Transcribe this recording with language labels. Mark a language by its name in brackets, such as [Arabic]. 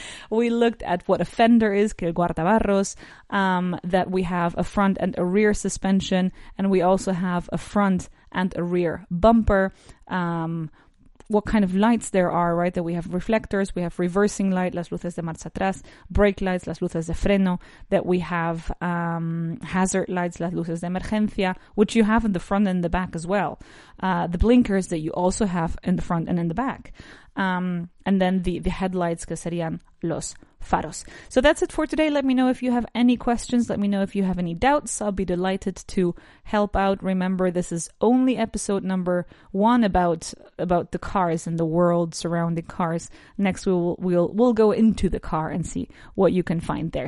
[English] We looked at what a fender is, [Spanish] que el guardabarros, [English] that we have a front and a rear suspension, and we also have a front and a rear bumper, what kind of lights there are, right? That we have reflectors, we have reversing light, [Spanish] las luces de marcha atrás, [English] brake lights, [Spanish] las luces de freno, [English] that we have hazard lights, [Spanish] las luces de emergencia, [English] which you have in the front and in the back as well. The blinkers that you also have in the front and in the back. And then the headlights, [Spanish] que serían los faros. [English] So that's it for today. Let me know if you have any questions. Let me know if you have any doubts. I'll be delighted to help out. Remember, this is only episode number one about the cars and the world surrounding cars. Next, we'll go into the car and see what you can find there.